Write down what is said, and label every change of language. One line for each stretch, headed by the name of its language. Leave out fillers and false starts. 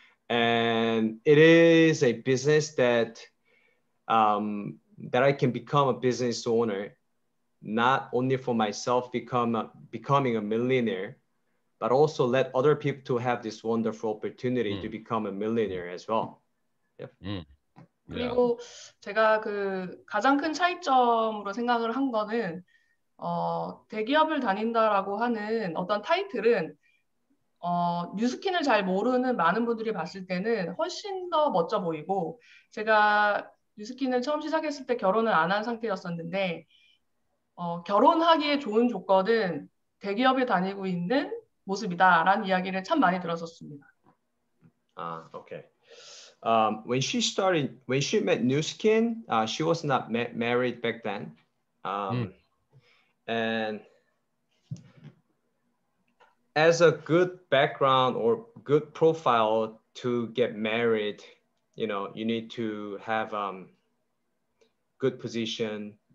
English: And it is a business that that I can become a business owner, not only for myself becoming a millionaire, but also let other people to have this wonderful opportunity to become a millionaire as well. Yep. Yeah.
Korean: 그리고 제가 그 가장 큰 차이점으로 생각을 한 거는 대기업을 다닌다라고 하는 어떤 타이틀은 뉴스킨을 잘 모르는 많은 분들이 봤을 때는 훨씬 더 멋져 보이고 제가 뉴스킨을 처음 시작했을 때 결혼을 안 한 상태였었는데 결혼하기에 좋은 조건은 대기업에 다니고 있는 모습이다라는 이야기를 참 많이 들었었습니다. 아,
English: okay. When she met New Skin, she was not married back then. And as a good background or good profile to get married, you know, you need to have good position.